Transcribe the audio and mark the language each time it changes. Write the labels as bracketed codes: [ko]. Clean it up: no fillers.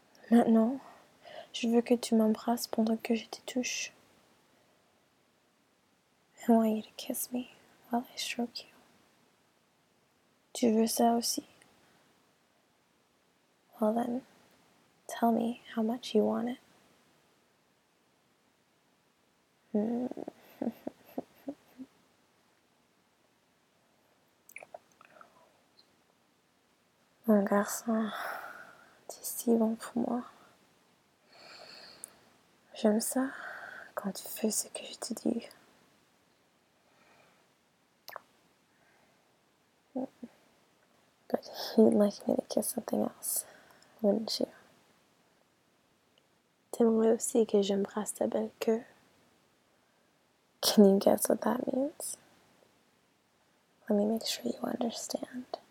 [fr] Maintenant, je veux que tu m'embrasses pendant que je te touche. [en] I want you to kiss me while I stroke you. [fr] Tu veux ça aussi? [en] Well then, tell me how much you want it. [fr] Mon garçon, tu es si bon pour moi. J'aime ça quand tu fais ce que je te dis. [en] But you'd like me to kiss something else, wouldn't you? [fr] T'aimerais aussi que j'embrasse ta belle queue. [en] Can you guess what that means? Let me make sure you understand.